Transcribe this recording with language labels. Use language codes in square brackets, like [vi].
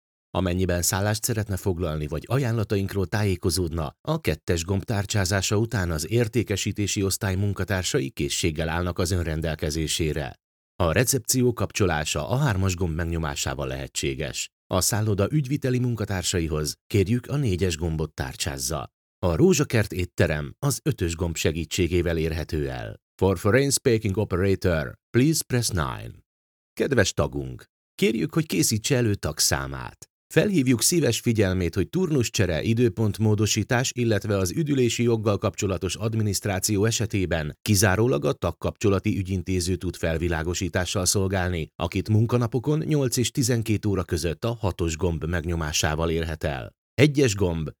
[hu] Amennyiben szállást szeretne foglalni, vagy ajánlatainkról tájékozódna, a 2-es gomb tárcsázása után az értékesítési osztály munkatársai készséggel állnak az ön rendelkezésére. A recepció kapcsolása a 3-as gomb megnyomásával lehetséges. A szálloda ügyviteli munkatársaihoz kérjük, a 4-es gombot tárcsázza. A Rózsakert étterem az 5-ös gomb segítségével érhető el. [en] For foreign speaking operator, please press 9. [hu] Kedves tagunk, kérjük, hogy készítse elő tagszámát. Felhívjuk szíves figyelmét, hogy turnuszcsere, időpontmódosítás, illetve az üdülési joggal kapcsolatos adminisztráció esetében kizárólag a tagkapcsolati ügyintéző tud felvilágosítással szolgálni, akit munkanapokon 8 és 12 óra között a 6-os gomb megnyomásával érhet el. 1-es gomb.